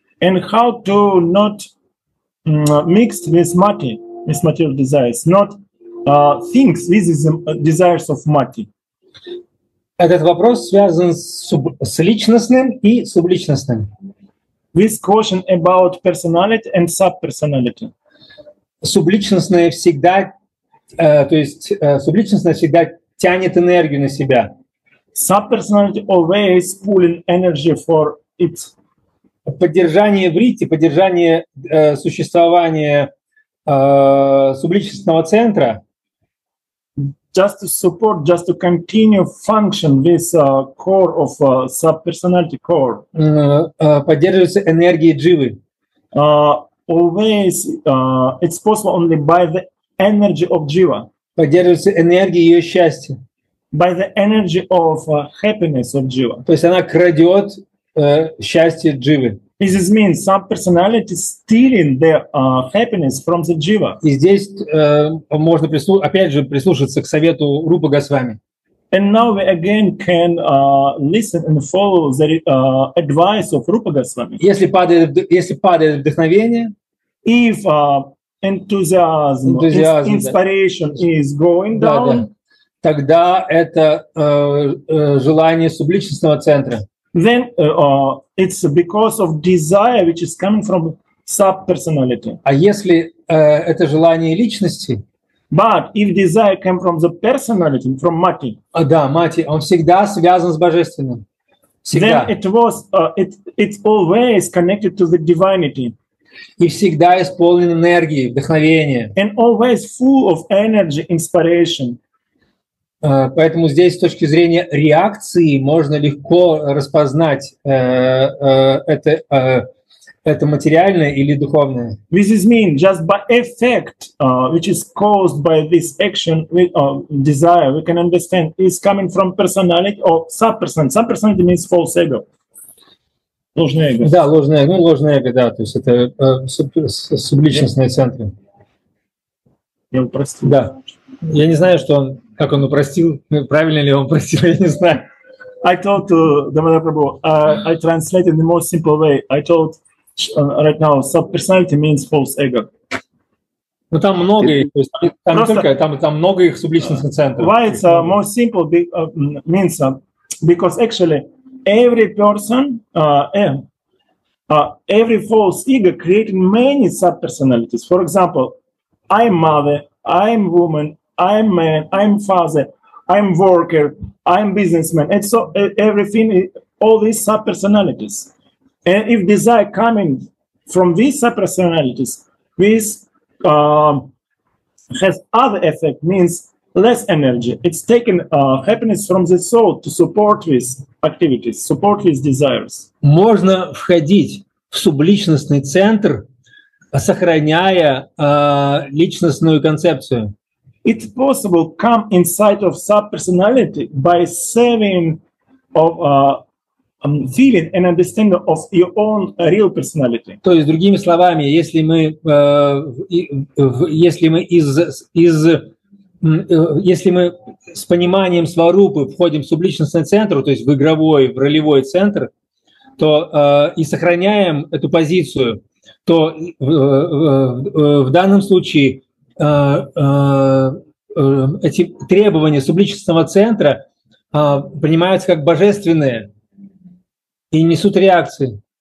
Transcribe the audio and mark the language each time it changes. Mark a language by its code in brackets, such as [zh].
[en] and how to not mix with mati, with material desires, not things, this is desires of mati. [ru] Этот вопрос связан с личностным и субличностным. [en] This question about personality and subpersonality. [ru] Субличностное всегда, то есть субличностное всегда тянет энергию на себя. [en] Subpersonality always pulling energy for it. [ru] Поддержание вритти, поддержание существования субличностного центра. [en] Just to support, just to continue function this core of subpersonality core. [ru] Поддерживается энергией дживы. [en] Always it's possible only by the energy of jiva. [ru] Поддерживается энергией ее счастья. [en] By the energy of happiness of jiva. [ru] То есть она крадет счастье дживы. [en] This means subpersonality stealing the happiness from the jiva. [ru] И здесь можно прислушаться к совету Рупа Госвами. [en] And now we again can listen and follow the advice of Rupa Goswami. [ru] Если падает вдохновение, [en] if enthusiasm, inspiration да. is going да, down, да. [ru] тогда это желание субличностного центра. [en] Then it's because of desire, which is coming from subpersonality. [ru] А если это желание личности? [en] But if desire came from the personality, from Mati. [ru] А да, Mati, он всегда связан с божественным. Всегда. [en] Then it was it's always connected to the divinity. [ru] И всегда исполнен энергии, вдохновения. [en] And always full of energy, inspiration. [ru] Поэтому здесь с точки зрения реакции можно легко распознать это материальное или духовное. [en] This is mean just by effect, which is caused by this action, desire. We can understand is coming from personality or subpersonality. Subpersonality means false ego. [ru] Ложное эго. Да, ложное, ну ложное эго, да, то есть это субличностные центры. Я упростил. Да. Я не знаю, что он, как он упростил, правильно ли он упростил, я не знаю. [en] I told to Damodara Prabhu, I translated in the most simple way. I told right now, subpersonality means false ego. [ru] Ну там много их, то есть там просто, только, там много их субличностных центров. [en] Why it's most simple means because actually every person, every false ego created many subpersonalities. For example, I'm mother, I'm woman, I'm man, I'm father, I'm worker, I'm businessman. And so everything, all these subpersonalities. And if desire coming from these subpersonalities, this has other effect, means less energy. It's taken happiness from the soul to support these activities, support these desires. [ru] Можно входить в субличностный центр, сохраняя личностную концепцию. [en] It's possible come inside of subpersonality by saving of feeling and understanding of your own real personality. [ru] То есть другими словами, если мы с пониманием сварупы входим в субличностный центр, то есть в игровой, в ролевой центр, то и сохраняем эту позицию, то в данном случае эти требования субличностного центра принимаются как божественные и несут реакции.